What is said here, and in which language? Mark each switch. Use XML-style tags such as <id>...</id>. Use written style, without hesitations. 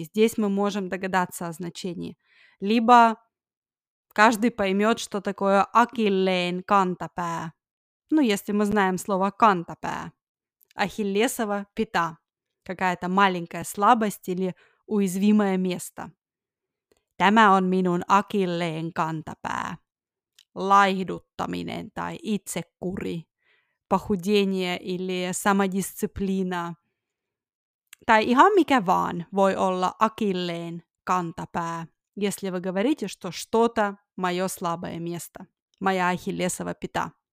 <ru>Здесь мы можем догадаться о значении. Либо каждый поймет, что такое</ru> <fi>«Akilleen kantapää».</fi> <ru>Ну, если мы знаем слово «kantapää». «Ахиллесова пята». Какая-то маленькая слабость или уязвимое место.</ru> <fi>«Tämä on minun akilleen kantapää». «Laihduttaminen» tai «itsekuri».</fi> <ru>«Похудение» или «самодисциплина».</ru> <fi>Tai ihan mikä vaan voi olla akilleen kantapää,</fi> <ru>если вы говорите, что что-то мое слабое место, моя ахиллесова пята.</ru>